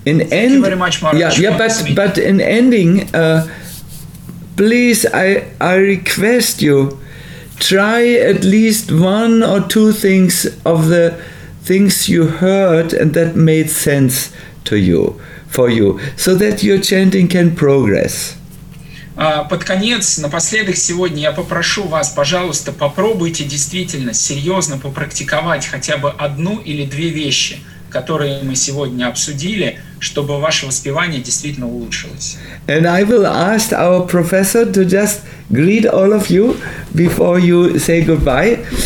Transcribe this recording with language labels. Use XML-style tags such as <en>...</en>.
<en>But in ending, please, I request you, try at least one or two things of the things you heard and that made sense to you, for you, so that your chanting can progress.</en> <ru>Под конец, напоследок сегодня, я попрошу вас, пожалуйста, попробуйте действительно серьезно попрактиковать хотя бы одну или две вещи, которые мы сегодня обсудили, чтобы ваше воспевание действительно улучшилось.</ru> <en>And I will ask our professor to just greet all of you before you say goodbye.</en>